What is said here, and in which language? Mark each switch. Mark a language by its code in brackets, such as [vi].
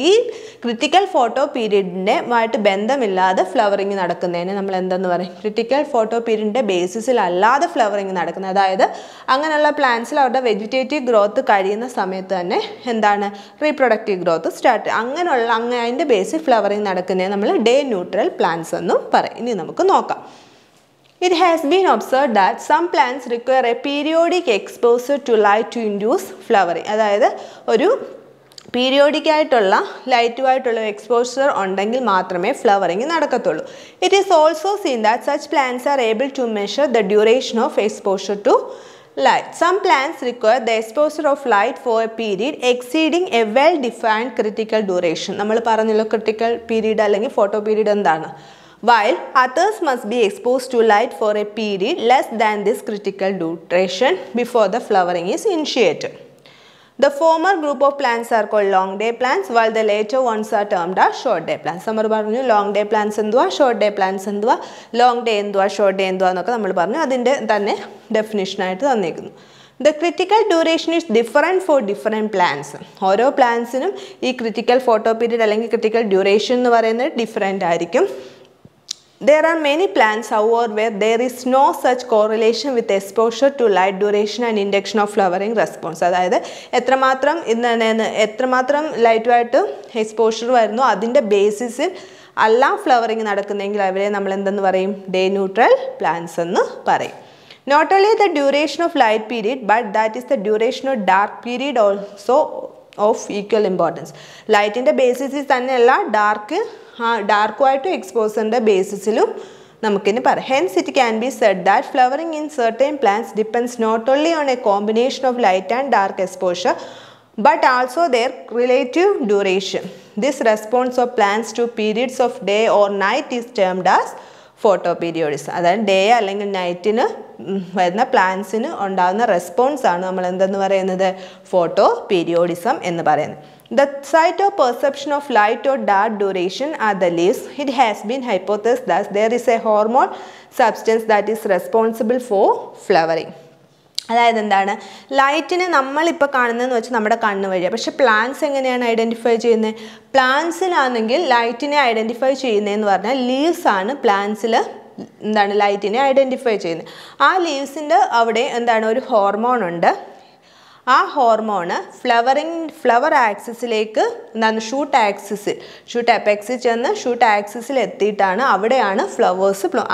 [ml] ഈ critical photo പീരീഡിൻ്റെ ആയിട്ട് ബന്ധമില്ലാതെ flowering നടക്കുന്നതിന് നമ്മൾ എന്തെന്ന് പറയും, ക്രിട്ടിക്കൽ ഫോട്ടോ പീരീഡിൻ്റെ ബേസിസിൽ അല്ലാതെ ഫ്ലവറിങ് നടക്കുന്നത്, അതായത് അങ്ങനെയുള്ള പ്ലാന്റ്സിൽ അവരുടെ വെജിറ്റേറ്റീവ് ഗ്രോത്ത് കഴിയുന്ന സമയത്ത് തന്നെ എന്താണ് റീപ്രൊഡക്റ്റീവ് ഗ്രോത്ത് സ്റ്റാർട്ട്, അങ്ങനെയുള്ള അങ്ങനെ ബേസിൽ ഫ്ലവറിങ് നടക്കുന്നതിന് നമ്മൾ ഡേ ന്യൂട്രൽ പ്ലാന്റ്സ് എന്നും പറയും. ഇനി നമുക്ക് നോക്കാം. [en] It has been observed that some plants require a periodic exposure to light to induce flowering. [ml] അതായത് ഒരു പീരിയോഡിക്കായിട്ടുള്ള ലൈറ്റുമായിട്ടുള്ള എക്സ്പോഷർ ഉണ്ടെങ്കിൽ മാത്രമേ flowering നടക്കത്തുള്ളൂ. [en] It is also seen that such plants are able to measure the duration of exposure to light. Some plants require the exposure of light for a period exceeding a well-defined critical duration. [ml] നമ്മൾ പറഞ്ഞല്ലോ critical period അല്ലെങ്കിൽ photo period എന്താണ്. [en] While others must be exposed to light for a period less than this critical duration before the flowering is initiated. The former group of plants are called long day plants while the later ones are termed as short day plants. [ml] നമ്മൾ പറഞ്ഞു long day plants എന്തുവാ, short day plants എന്തുവാ, long day എന്തുവാ, short day എന്തുവാ എന്നൊക്കെ നമ്മൾ പറഞ്ഞു അതിൻ്റെ തന്നെ ഡെഫിനിഷൻ ആയിട്ട് തന്നിരിക്കുന്നു. [en] The critical duration is different for different plants. [ml] ഓരോ പ്ലാന്റ്സിനും ഈ ക്രിട്ടിക്കൽ ഫോട്ടോ പീരീഡ് അല്ലെങ്കിൽ ക്രിട്ടിക്കൽ ഡ്യൂറേഷൻ എന്ന് പറയുന്നത് ഡിഫറെൻ്റ് ആയിരിക്കും. [en] There are many plants, however, where there is no such correlation with exposure to light duration and induction of flowering response. [ml] അതായത് എത്രമാത്രം എത്രമാത്രം ലൈറ്റുമായിട്ട് exposure വരുന്നു അതിൻ്റെ ബേസിസിൽ അല്ല ഫ്ലവറിങ് നടക്കുന്നതെങ്കിൽ അവരെ നമ്മൾ എന്തെന്ന് പറയും, ഡേ ന്യൂട്രൽ പ്ലാന്റ്സ് എന്ന് പറയും. [en] Not only the duration of light period but that is the duration of dark period also of equal importance. [ml] ലൈറ്റിൻ്റെ ബേസിസിൽ തന്നെയല്ല ഡാർക്ക് ഡാർക്കുമായിട്ട് എക്സ്പോസറിൻ്റെ ബേസിസിലും നമുക്കിന് പറയാം. [en] Hence it can be said that flowering in certain plants depends not only on a combination of light and dark exposure but also their relative duration. This response of plants to periods of day or night is termed as photoperiodism. [ml] അതായത് day അല്ലെങ്കിൽ നൈറ്റിന് വരുന്ന പ്ലാന്റ്സിന് ഉണ്ടാകുന്ന response ആണ് നമ്മൾ എന്തെന്ന് പറയുന്നത്, photo periodism എന്ന് പറയുന്നത്. [en] The site of perception of light or dark duration are the leaves. It has been hypothesized that there is a hormone substance that is responsible for flowering. [ml] അതായത് എന്താണ്, ലൈറ്റിനെ നമ്മളിപ്പോൾ കാണുന്നതെന്ന് വെച്ചാൽ നമ്മുടെ കണ്ണ് വഴിയാണ്. പക്ഷേ പ്ലാന്റ്സ് എങ്ങനെയാണ് ഐഡൻറ്റിഫൈ ചെയ്യുന്നത്, പ്ലാന്റ്സിനാണെങ്കിൽ ലൈറ്റിനെ ഐഡൻറ്റിഫൈ ചെയ്യുന്നതെന്ന് പറഞ്ഞാൽ ലീവ്സ് ആണ് പ്ലാന്റ്സിൽ എന്താണ് ലൈറ്റിനെ ഐഡൻറ്റിഫൈ ചെയ്യുന്നത്. ആ ലീവ്സിൻ്റെ അവിടെ എന്താണ് ഒരു ഹോർമോൺ ഉണ്ട്, ആ ഹോർമോണ് ഫ്ലവറിങ് ഫ്ലവർ ആക്സിസിലേക്ക് എന്താണ് ഷൂട്ട് ആക്സിസിൽ ഷൂട്ട് അപെക്സിൽ ചെന്ന് ഷൂട്ട് ആക്സിസിൽ എത്തിയിട്ടാണ് അവിടെയാണ് ഫ്ലവേഴ്സ് ബ്ലൂം.